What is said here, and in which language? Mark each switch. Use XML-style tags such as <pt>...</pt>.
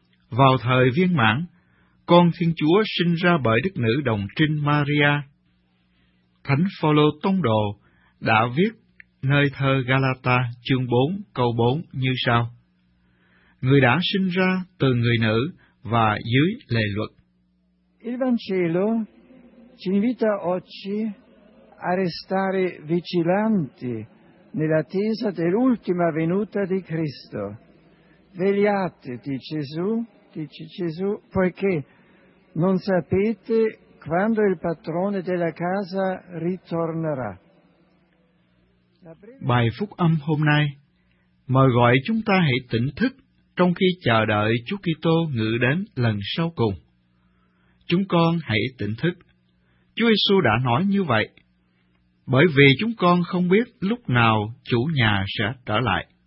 <vi>Vào thời viên mãn, con Thiên Chúa sinh ra bởi đức nữ đồng trinh Maria. Thánh Phaolô tông đồ đã viết nơi thơ Galata chương 4 câu 4 như sau: Người đã sinh ra từ người nữ và dưới lề luật.</vi> <it>Il Vangelo ci invita oggi a restare vigilanti nell'attesa dell'ultima venuta di Cristo. Vegliate, dice Gesù, poiché non sapete quando il padrone della casa ritornerà.</it> <vi>Bài phúc âm hôm nay mời gọi chúng ta hãy tỉnh thức trong khi chờ đợi Chúa Kitô ngự đến lần sau cùng. Chúng con hãy tỉnh thức. Chúa Giêsu đã nói như vậy, bởi vì chúng con không biết lúc nào chủ nhà sẽ trở lại.</vi>